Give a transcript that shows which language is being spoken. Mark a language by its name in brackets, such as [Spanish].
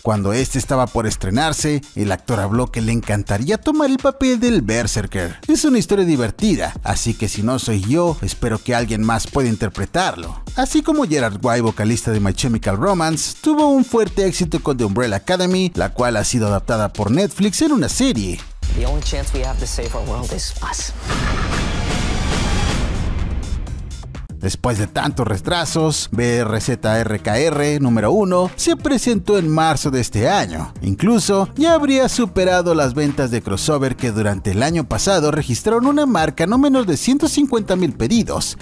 [Spanish] Cuando este estaba por estrenarse, el actor habló que le encantaría tomar el papel del Berserker. Es una historia divertida, así que si no soy yo, espero que alguien más pueda interpretarlo. Así como Gerard Way, vocalista de My Chemical Romance, tuvo un fuerte éxito con The Umbrella Academy, la cual ha sido adaptada por Netflix en una serie. [English] The only chance we have to save our world is us. [Spanish] Después de tantos retrasos, BRZRKR número 1 se presentó en marzo de este año. Incluso ya habría superado las ventas de crossover que durante el año pasado registraron una marca no menos de 150,000 pedidos.